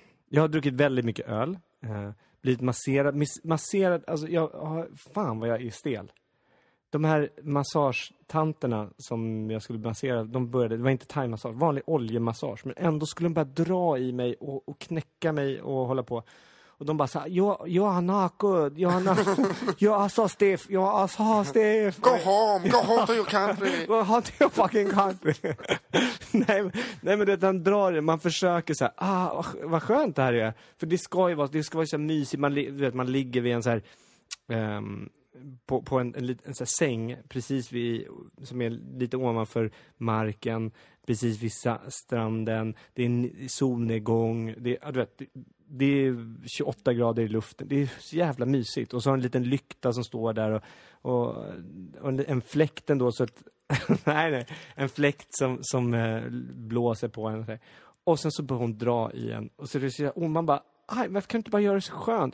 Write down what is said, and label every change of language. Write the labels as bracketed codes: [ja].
[sv] Jag har druckit väldigt mycket öl. Blivit masserad. Masserad, alltså jag har... Fan vad jag är stel. De här massagetanterna som jag skulle massera, de började, det var inte thai-massage, vanlig oljemassage, men ändå skulle de bara dra i mig och knäcka mig och hålla på. Och de bara sa, jag är så stiff. [en] Go home, go home to your country. Go home to your fucking country. [sv] Nej, nej, men det, den drar det. Man försöker så här, ah, vad skönt det här är. För det ska vara så här mysigt. Man, du vet, man ligger vid en så här... på en så här säng precis vid, som är lite ovanför marken, precis vid stranden, det är en solnedgång, det är 28 grader i luften, det är så jävla mysigt, och så har en liten lykta som står där och en fläkt ändå, så att en fläkt som blåser på en, och sen så börjar hon dra igen, och så är det så, och man bara, aj, varför kan du inte bara göra det så skönt?